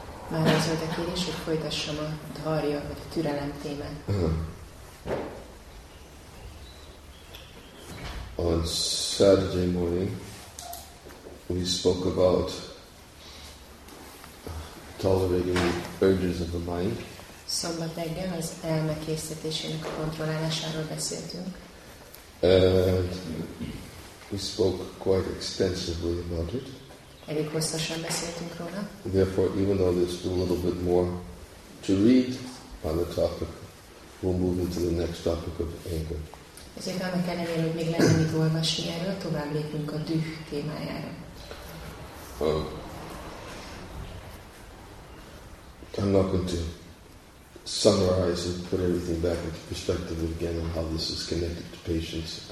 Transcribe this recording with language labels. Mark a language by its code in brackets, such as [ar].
[hu] Már az volt a kérdés, hogy folytassam a dharya, vagy a türelem témát. [en] On Saturday morning, we spoke about tolerating the urges of the mind. [hu] Szombat reggel az elme készítésének a kontrollálásáról beszéltünk. [en] And we spoke quite extensively about it. [hu] Elég hosszasan beszéltünk róla. [en] Therefore, even though there's still a little bit more to read on the topic, we'll move into the next topic of anger. [hu] Ezért annak ellenére, hogy még lenne mit olvasni erről, tovább lépünk a düh témájára. [en] I'm not going to summarize and put everything back into perspective again on how this is connected to patience.